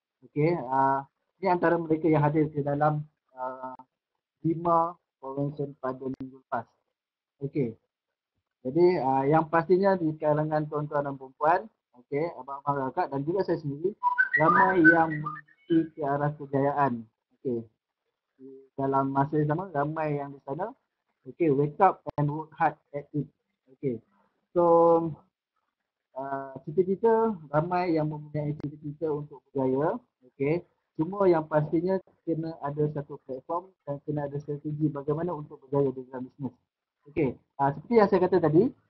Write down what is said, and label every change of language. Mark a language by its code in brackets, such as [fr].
[ms] Okey, ini antara mereka yang hadir ke dalam Bima Convention pada minggu lepas. Okey. Jadi yang pastinya di kalangan tuan-tuan dan puan-puan, okey, abang-abang kakak dan juga saya sendiri, ramai yang mengikuti ke arah kejayaan. Okey. Dalam masa yang sama ramai yang di sana. [en] Okay, wake up and work hard at it. [ms] Okay, so cita-cita, ramai yang mempunyai cita-cita untuk berjaya. Okay, cuma yang pastinya kena ada satu platform dan kena ada strategi bagaimana untuk berjaya di dalam bisnes. Okay, seperti yang saya kata tadi.